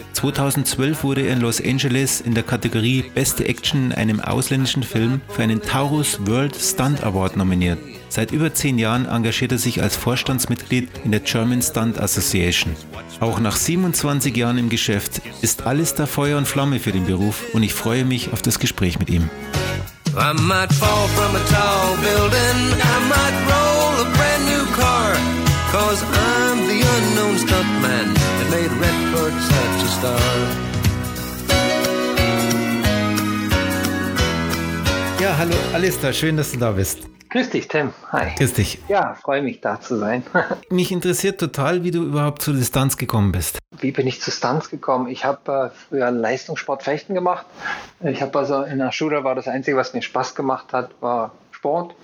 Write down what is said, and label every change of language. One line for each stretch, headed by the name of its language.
German: 2012 wurde er in Los Angeles in der Kategorie Beste Action in einem ausländischen Film für einen Taurus World Stunt Award nominiert. Seit über 10 Jahren engagiert er sich als Vorstandsmitglied in der German Stunt Association. Auch nach 27 Jahren im Geschäft ist Alistair Feuer und Flamme für den Beruf und ich freue mich auf das Gespräch mit ihm.
English: I might fall from a tall building, I might roll a brand new car, cause I'm the unknown stuntman that made Redford such a star.
German: Ja, hallo Alistair, schön, dass du da bist. Grüß dich, Tim. Hi. Grüß dich. Ja, freue mich, da zu sein. Mich interessiert total, wie du überhaupt zu Stunts gekommen bist. Wie bin ich zu Stunts gekommen? Ich habe früher Leistungssportfechten gemacht. Ich habe also in der Schule war das Einzige, was mir Spaß gemacht hat, war Sport.